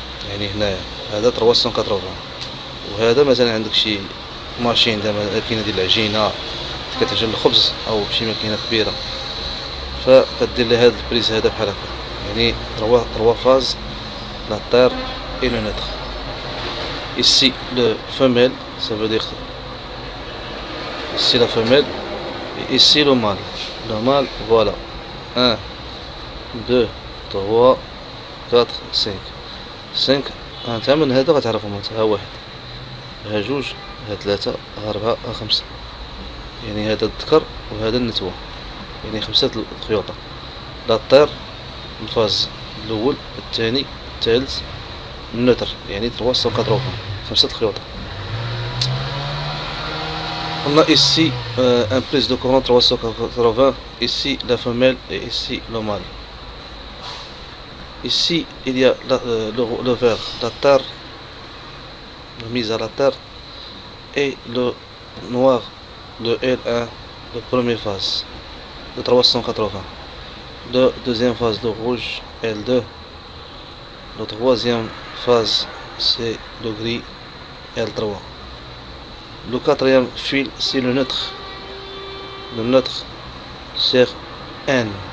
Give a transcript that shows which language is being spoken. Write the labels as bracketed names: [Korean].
[Arabic] يعني هنايا هذا 380، وهذا مثلا عندك شي ماشين زعما كاينه ديال العجينه كتعجن الخبز او شي ماكينه كبيره، فكدير لي هذا البريز هذا بحال هكا، يعني 3 فاز لا تير اي لو نتر. [French] ici le femelle ça veut dire ici la femelle et ici le mâle. le mâle voilà [Arabic] 1 2 3 4 5 5 انت من هذا غتعرفهم، ها واحد ها جوج ها ثلاثة ها أربعة ها خمسة، يعني هذا الذكر وهذا النتوة، يعني خمسة الخيوطة. لا تير الفاز الأول الثاني الثالث النتر، يعني 380 خمسة الخيوطة. [French] هنا ici un prise de courant 380 ici la femelle et ici le mâle. ici il y a le ver la terre la mise à la terre et le noir de L1 de première phase de 380 de deuxième phase de rouge L2 la troisième phase c'est le gris L3 le quatrième fil c'est le neutre sur N